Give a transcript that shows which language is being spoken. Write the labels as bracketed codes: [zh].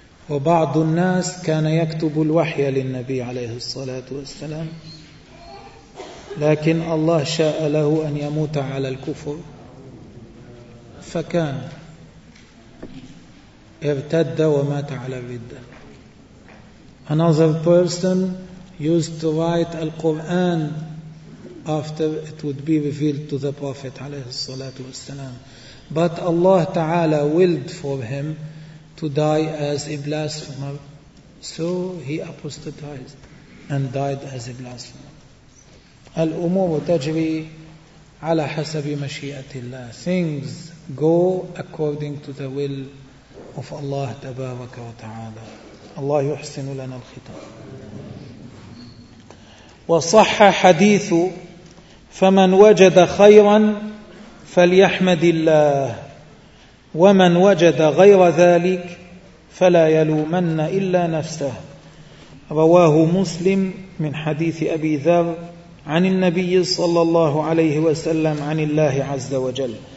[ar] وبعض الناس كان يكتب الوحي للنبي عليه الصلاة والسلام، لكن الله شاء له أن يموت على الكفر، فكان ارتد ومات على الردة. [en] Another person used to write Al-Quran after it would be revealed to the Prophet عليه الصلاة والسلام. But Allah Ta'ala willed for him to die as a blasphemer. So he apostatized and died as a blasphemer. [ar] الأمور تجري على حسب مشيئة الله. [en] Things go according to the will of Allah تبارك وتعالى. [ar] الله يحسن لنا الختام. وصح حديث فمن وجد خيرا فليحمد الله ومن وجد غير ذلك فلا يلومن إلا نفسه. رواه مسلم من حديث أبي ذر عن النبي صلى الله عليه وسلم عن الله عز وجل.